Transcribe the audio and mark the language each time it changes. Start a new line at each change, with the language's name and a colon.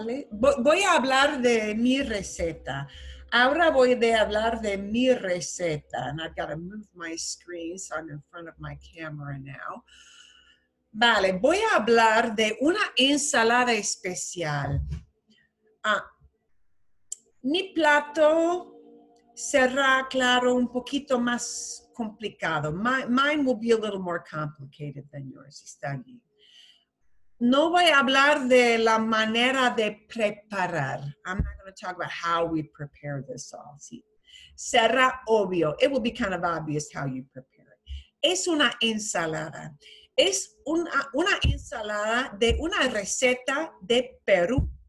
Spanish: Voy a hablar de mi receta. Ahora voy a hablar de mi receta.
English: And I've got to move my screen so I'm in front of my camera now.
Spanish: Vale, voy a hablar de una ensalada especial. Mi plato será, claro, un poquito más complicado.
English: Mine will be a little more complicated than yours,
Spanish: está bien. No voy a hablar de la manera de preparar.
English: I'm not going to talk about how we prepare this sauce.
Spanish: Será obvio.
English: It will be kind of obvious how you prepare it.
Spanish: Es una ensalada. Es una ensalada de una receta de Perú.